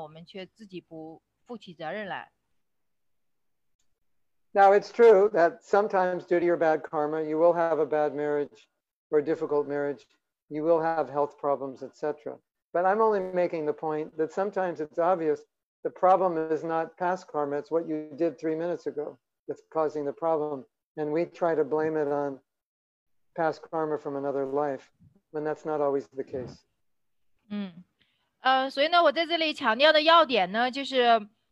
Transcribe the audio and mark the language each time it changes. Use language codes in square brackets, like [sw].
[zh] 就比如说你现在就是消化不良，然后呢，你可能会说，哎呀，你看我这个，哎，就有这个，我身体不好啊，就所以消化不良就有这样的业报。其实呢，就是因为你吃了太多了，多余你所消化的量，所以它才导致消化不良的。所以有时候我们就通常，倾向于去谴责各种各样的事物，找理由，找借口，但是呢，我们却自己不负起责任来。 [en] Now, it's true that sometimes due to your bad karma, you will have a bad marriage or a difficult marriage. You will have health problems, etc. But I'm only making the point that sometimes it's obvious the problem is not past karma. It's what you did 3 minutes ago that's causing the problem. And we try to blame it on past karma from another life, when that's not always the case. [zh] 所以呢，我在这里强调的要点呢，就是。